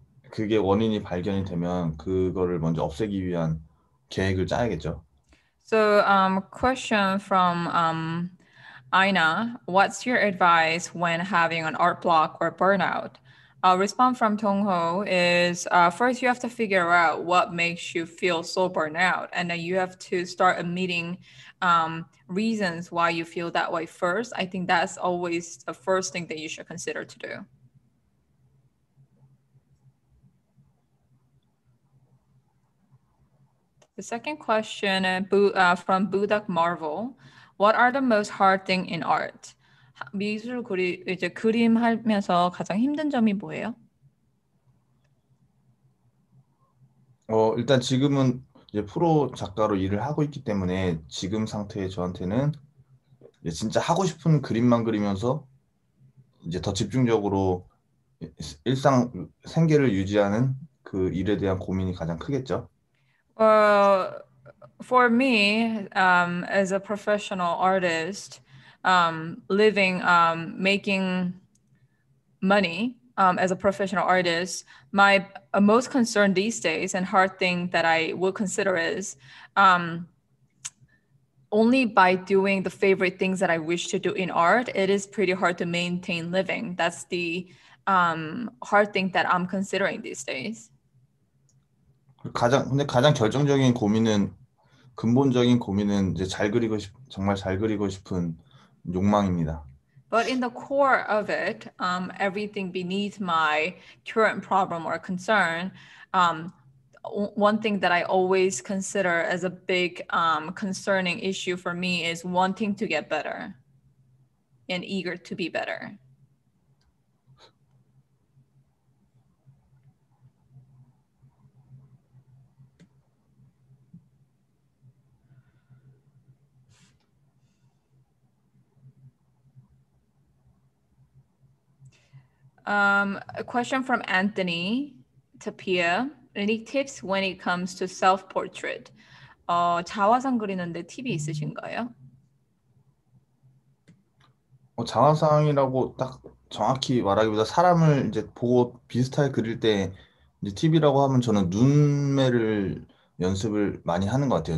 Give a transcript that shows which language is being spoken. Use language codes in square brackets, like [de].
[ko] 그게 원인이 발견이 되면 그거를 먼저 없애기 위한 계획을 짜야겠죠. [en] So, question from Aina. What's your advice when having an art block or burnout? A response from Tongho is, first you have to figure out what makes you feel so burnout, and then you have to start admitting reasons why you feel that way first. I think that's always the first thing that you should consider to do. The second question from Budak Marvel. What are the most hard thing in art? [ko] 미술 그리 이제 그림 하면서 가장 힘든 점이 뭐예요? 일단 지금은 이제 프로 작가로 일을 하고 있기 때문에 지금 상태에 저한테는 이제 진짜 하고 싶은 그림만 그리면서 이제 더 집중적으로 일상 생계를 유지하는 그 일에 대한 고민이 가장 크겠죠. [en] Well, for me, as a professional artist, living, making money as a professional artist, my most concern these days and hard thing that I will consider is only by doing the favorite things that I wish to do in art, it is pretty hard to maintain living. That's the hard thing that I'm considering these days. [ko] 근데 가장 결정적인 고민은 근본적인 고민은 이제 정말 잘 그리고 싶은 욕망입니다. [en] But in the core of it, everything beneath my current problem or concern, one thing that I always consider as a big concerning issue for me is wanting to get better and eager to be better. A question from Anthony Tapia. Any tips when it comes to self-portrait? [ko] 자화상 그리는데 팁이 있으신가요? 자화상이라고 딱 정확히 말하기보다 사람을 이제 보고 비슷하게 그릴 때 이제 팁이라고 하면 저는 눈매를 연습을 많이 하는 것 같아요.